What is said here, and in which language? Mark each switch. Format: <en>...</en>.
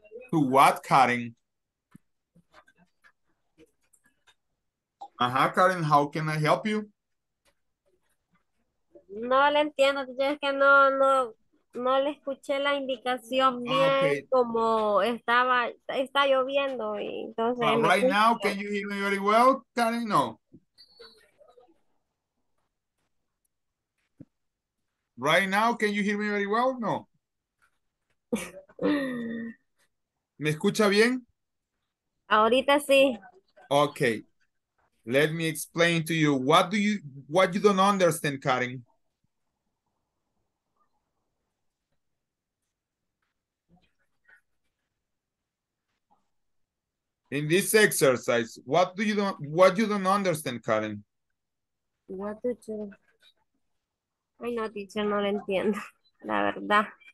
<en>¿To what, Karen? Ajá, Karen, how can I help you?</en> <es>No la entiendo, es que no le escuché la indicación bien, okay. Como estaba, está lloviendo y entonces...</es> <en>right now, can you hear me very well, Karen? No. Right now, can you hear me very well? No.</en> <es>¿Me escucha bien? Ahorita sí.</es> <en>Okay. Let me explain to you. What you don't understand, Karen? In this exercise, what you don't understand, Karen? What do you...</en> <es>Ay, no, teacher, no lo entiendo, la verdad.</es>